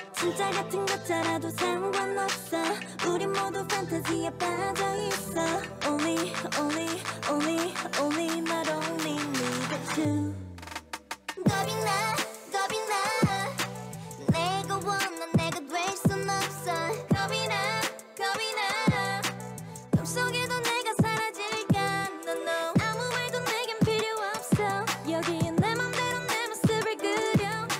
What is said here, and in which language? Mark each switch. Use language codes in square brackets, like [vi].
[ko] 진짜 같은 것처럼도 상관없어. 우리 모두 판타지에 빠져 있어. [en] Only, only, only, only, not only me but you. [ko] 겁이 나, 겁이 나. 내가 원한 내가 될 순 없어. 겁이 나, 겁이 나. 꿈속에도 내가 사라질까? [en] No, no. [ko] 아무 말도 내겐 필요 없어. 여기에 내 맘대로 내 모습을 그려.